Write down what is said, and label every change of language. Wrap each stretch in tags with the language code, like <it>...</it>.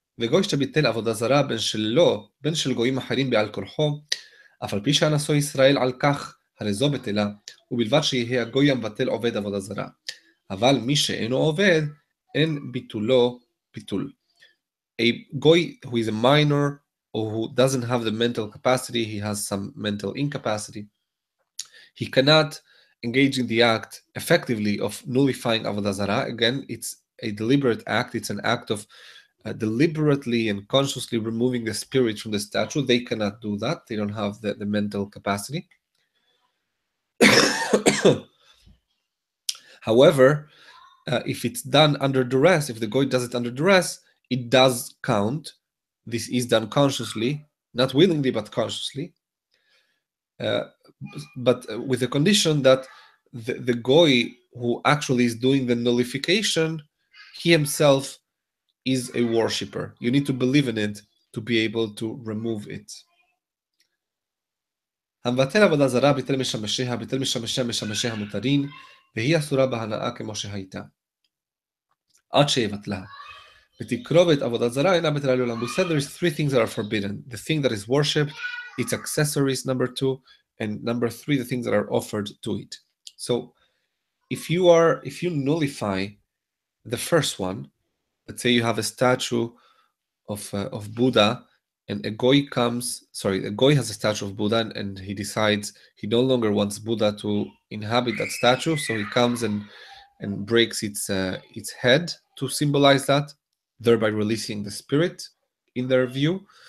<he>וגוי שביטל עבודה זרה בין שלו, בין של גויים אחרים בעל כורחו, אף על פי שהנשוא ישראל על כך, הרי זו בטלה, ובלבד שיהיה הגוי המבטל עובד עבודה זרה. אבל מי שאינו עובד, אין ביטולו ביטול.</he> <en>A goy who is a minor, or who doesn't have the mental capacity, he has some mental incapacity, he cannot engage in the act effectively of nullifying עבודה זרה. Again, it's a deliberate act, it's an act of deliberately and consciously removing the spirit from the statue. They cannot do that. They don't have the mental capacity. However, if it's done under duress, if the goy does it under duress, it does count. This is done consciously, not willingly, but consciously. But with the condition that the goy who actually is doing the nullification, he himself is a worshipper. You need to believe in it to be able to remove it.</en> <he>המבטל עבודה זרה ביטל משמשיה, ביטל משמשיה משמשיה המותרים, והיא אסורה בהנאה כמו שהייתה. עד שיבטלה. ותקרובת עבודה זרה אינה בטלה לעולם.</he> <en>We said there is three things that are forbidden. The thing that is worshipped, its accessories, number two, and number three, the things that are offered to it. So, if you nullify the first one, let's say you have a statue of Buddha, and a goy has a statue of Buddha, and he decides he no longer wants Buddha to inhabit that statue, so he comes and breaks its head to symbolize that, thereby releasing the spirit in their view.</en>